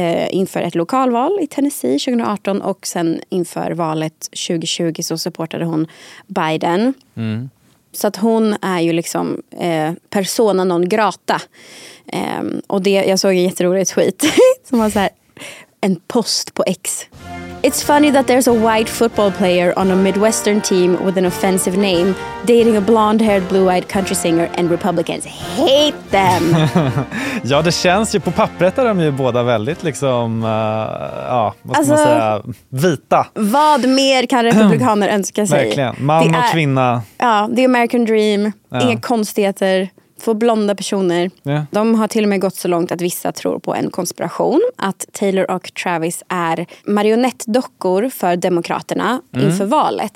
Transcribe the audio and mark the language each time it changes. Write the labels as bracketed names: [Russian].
[Swedish] Inför ett lokalval i Tennessee 2018 och sen inför valet 2020 så supportade hon Biden. Så att hon är ju liksom persona non grata. Och det, jag såg en jätterolig tweet som var så här, en post på X. [English] It's funny that there's a white football player on a Midwestern team with an offensive name dating a blonde-haired, blue-eyed country singer and Republicans hate them. [Swedish] Ja, det känns ju på pappret är de ju båda väldigt liksom, ja, vad ska alltså, man säga, vita. Vad mer kan republikaner önska sig? Verkligen, man och kvinna. Ja, [English] the American dream, [Swedish] ja. Inga konstigheter. två blonda personer. [English] Yeah. [Swedish] De har till och med gått så långt att vissa tror på en konspiration. Att Taylor och Travis är marionettdockor för demokraterna inför valet.